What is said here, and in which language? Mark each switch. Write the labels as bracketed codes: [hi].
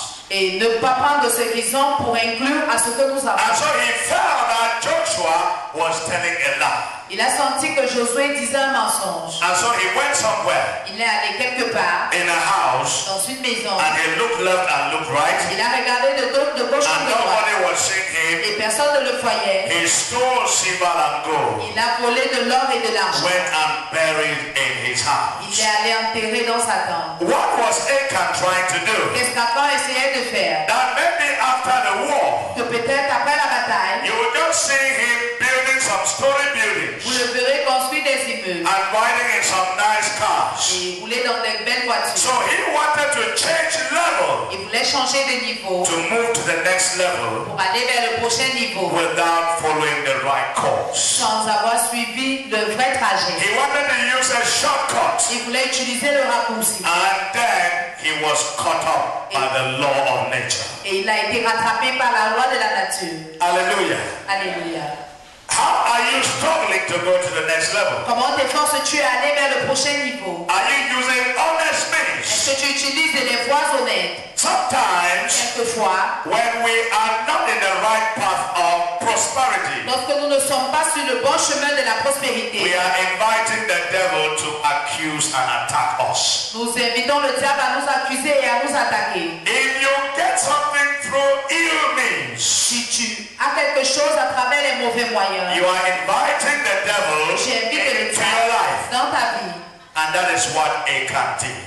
[fr] et ne pas prendre ce qu'ils ont pour inclure à ce que nous avons. [en] And so he found that Joshua was telling a lie. [fr] Il a senti que Josué disait un mensonge. [en] And so he went somewhere. [fr] Il est allé quelque part. [en] In a house. [fr] Dans une maison. [en] And he looked left and looked right. [fr] Il a regardé de gauche de gauche. [en] And nobody was seeing him. [fr] Et personne ne le voyait. [en] He stole silver and gold. [fr] Il a volé de l'or et de l'argent. [en] Went and buried in his house. [fr] Il est allé enterré dans sa tente. [en] What was Achan trying to do? [fr] Qu'est-ce qu'Achan essayait de faire? [en] That maybe after the war. [fr] Que peut-être après la bataille. [en] You would not see him building some story buildings. [fr] Vous le verrez construire des immeubles. [en] And riding in some nice cars. [fr] Et rouler dans des belles voitures. [en] So he wanted to change level. [fr] Il voulait changer de niveau. [en] To move to the next level. [fr] Pour aller vers le prochain niveau. [en] Without following the right course. [fr] Sans avoir suivi le vrai trajet. [en] He wanted to use a shortcut. [fr] Il voulait utiliser le raccourci. [en] And then he was caught up by the law of nature. [fr] Et il a été rattrapé par la loi de la nature. Alléluia. Alléluia. [en] How are you struggling to go to the next level? [fr] Comment t'efforces-tu à aller vers le prochain niveau? [en] Are you using honest means? [fr] Est-ce que tu utilises des voies honnêtes? [en] Sometimes, [fr] quelquefois, [en] when we are not in the right path of prosperity, [fr] lorsque nous ne sommes pas sur le bon chemin de la prospérité, [en] we are inviting the devil to accuse and attack us. [fr] Nous invitons le diable à nous accuser et à nous attaquer. [en] If you get something through ill means, [fr] si tu as quelque chose à travers les mauvais moyens, [en] you are inviting the devil into your life. [fr] Dans ta vie. [en] And that is what Achan did.